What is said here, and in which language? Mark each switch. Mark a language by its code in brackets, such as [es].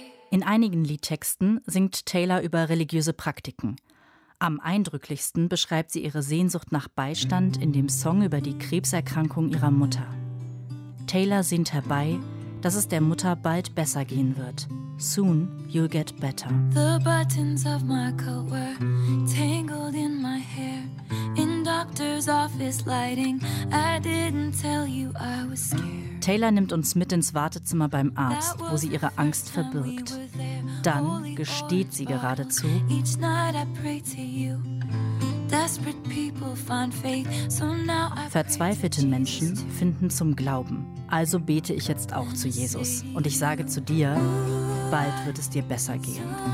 [de] In einigen Liedtexten singt Taylor über religiöse Praktiken. Am eindrücklichsten beschreibt sie ihre Sehnsucht nach Beistand in dem Song über die Krebserkrankung ihrer Mutter. Taylor sehnt herbei, dass es der Mutter bald besser gehen wird. [en] Soon you'll get better. The buttons of my coat were tangled in my hair. And I doctor's office lighting. I didn't tell you I was scared. [de] Taylor nimmt uns mit ins Wartezimmer beim Arzt, wo sie ihre Angst verbirgt. Dann gesteht sie geradezu. Each night I pray to you. [en] Desperate people find faith, so now I [de] verzweifelte Menschen finden zum Glauben. Also bete ich jetzt auch zu Jesus. Und ich sage zu dir, bald wird es dir besser gehen.